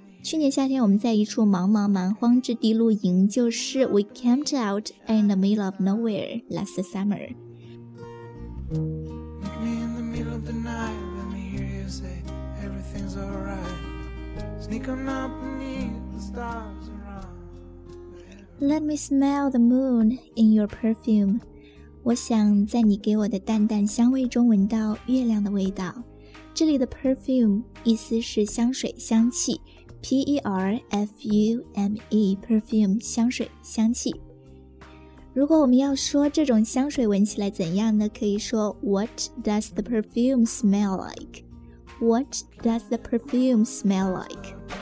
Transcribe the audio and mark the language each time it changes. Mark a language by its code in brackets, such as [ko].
[zh] 去年夏天我们在一处茫茫蛮荒之地露营，就是 [en] We camped out in the middle of nowhere last summer. Meet me in the middle of the night, let me hear you say everything's alright. Sneak on up beneath the stars around. Let me smell the moon in your perfume. [zh] 我想在你给我的淡淡香味中闻到月亮的味道。这里的 perfume 意思是香水香气，P-E-R-F-U-M-E, perfume, 香水香气。如果我们要说这种香水闻起来怎样呢，可以说 [en] What does the perfume smell like? What does the perfume smell like?